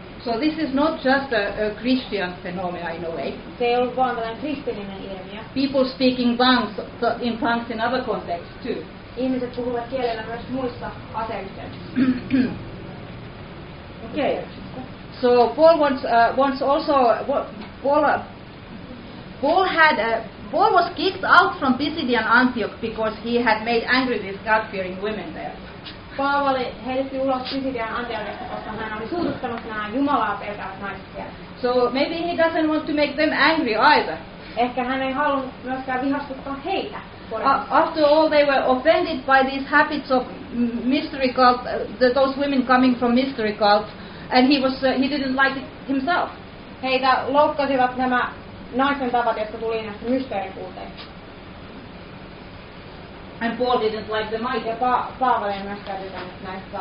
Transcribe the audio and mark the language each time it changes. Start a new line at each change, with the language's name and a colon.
English: So this is not just a Christian phenomenon in a way.
Finnish: Se ei ollut vaan tällainen kristillinen ilmiö.
English: People speaking tongues in tongues in other contexts too.
Finnish: Ihmiset puhuvat kielellä myös muissa aseissa.
English: Okay. So Paul wants also Paul was kicked out from Pisidian and Antioch because he had made angry with God-fearing women there.
Finnish: Paavali heitti ulos Pisidian Antiochista, koska hän oli suututtanut nämä jumalaa pelkäävät naiset.
English: So maybe he doesn't want to make them angry either.
Finnish: Ehkä hän ei halunnut myöskään vihastuttaa heitä.
English: After all, they were offended by these habits of mystery cult, those women coming from mystery cult, and he didn't like it himself.
Finnish: Heitä loukkasivat nämä naisen tavat, jotka tuli näistä mysteerikulteista.
English: And Paul didn't like the mic.
Finnish: Ja Paavali ei myöskään tykännyt näistä